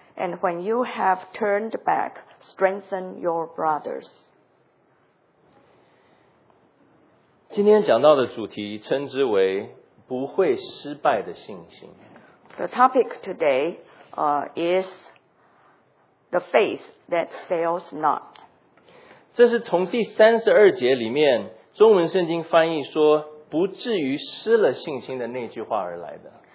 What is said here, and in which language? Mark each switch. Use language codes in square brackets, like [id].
[en] And when you have turned back, strengthen your brothers. [zh] 今天讲到的主题称之为不会失败的信心。 [en] The topic today, is the faith that fails not. [zh] 这是从第32节里面中文圣经翻译说不至于失了信心的那句话而来的。